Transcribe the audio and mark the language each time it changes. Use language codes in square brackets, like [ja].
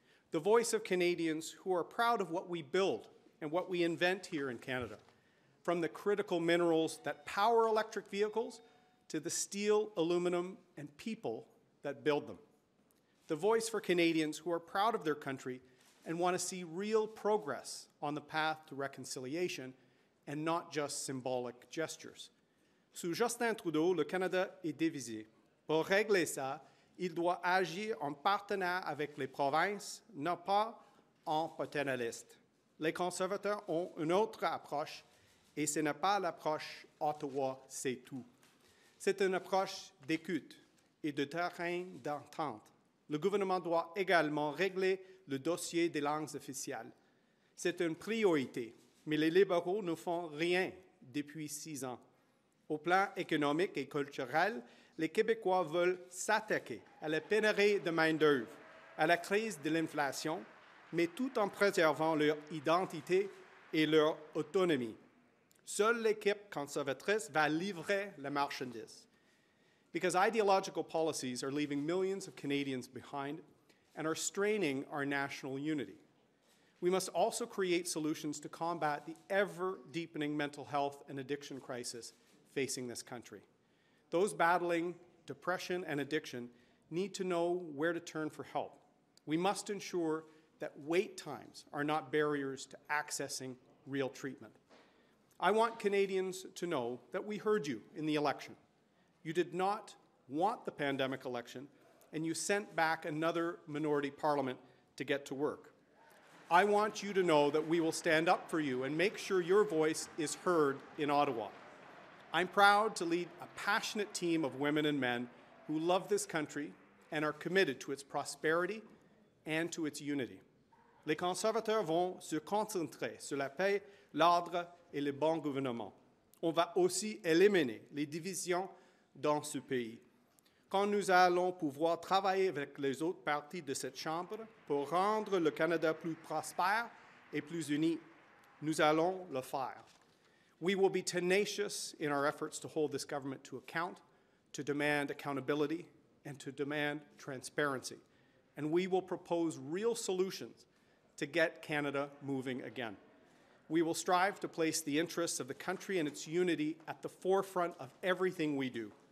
[en] The voice of Canadians who are proud of what we build and what we invent here in Canada, from the critical minerals that power electric vehicles to the steel, aluminum, and people that build them. The voice for Canadians who are proud of their country and want to see real progress on the path to reconciliation and not just symbolic gestures. [fr] Sous Justin Trudeau, le Canada est divisé. Pour régler ça, il doit agir en partenaire avec les provinces, non pas en paternaliste. Les conservateurs ont une autre approche, et ce n'est pas l'approche Ottawa, c'est tout. C'est une approche d'écoute et de terrain d'entente. Le gouvernement doit également régler le dossier des langues officielles. C'est une priorité, mais les libéraux ne font rien depuis 6 ans. Au plan économique et culturel, les Québécois veulent s'attaquer à la pénurie de main-d'œuvre, à la crise de l'inflation, mais tout en préservant leur identité et leur autonomie. Seule l'équipe conservatrice va livrer la marchandise. [en] Because ideological policies are leaving millions of Canadians behind and are straining our national unity. We must also create solutions to combat the ever-deepening mental health and addiction crisis facing this country. Those battling depression and addiction need to know where to turn for help. We must ensure that wait times are not barriers to accessing real treatment. I want Canadians to know that we heard you in the election. You did not want the pandemic election, and you sent back another minority parliament to get to work. I want you to know that we will stand up for you and make sure your voice is heard in Ottawa. I'm proud to lead a passionate team of women and men who love this country and are committed to its prosperity and to its unity. [fr] Les conservateurs vont se concentrer sur la paix, l'ordre et le bon gouvernement. On va aussi éliminer les divisions dans ce pays. Quand nous allons pouvoir travailler avec les autres parties de cette Chambre pour rendre le Canada plus prospère et plus uni, nous allons le faire. [en] We will be tenacious in our efforts to hold this government to account, to demand accountability, and to demand transparency. And we will propose real solutions to get Canada moving again. We will strive to place the interests of the country and its unity at the forefront of everything we do.